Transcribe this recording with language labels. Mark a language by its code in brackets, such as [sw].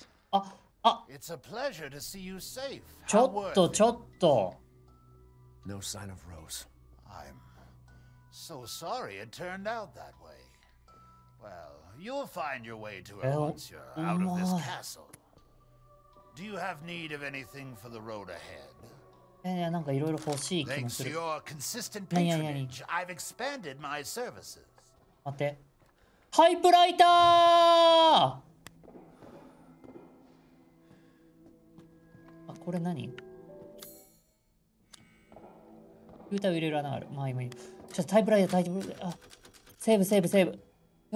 [ja] あ、あ、ちょっとちょっと。 [en] No sign of Rose. I'm so sorry it turned out that way. Well, you'll find your way to her once you're out of this castle. Do you have need of anything for the road ahead? [ja] なんかいろいろ欲しい気もする。 [en] Thanks to your consistent patronage, I've expanded my services. [ja] 待って。ハイプライター！あ、これ何？ルーターを入れる穴がある。まあ今いい。ちょっとハイプライター、タイプライター。あ、セーブセーブセーブ。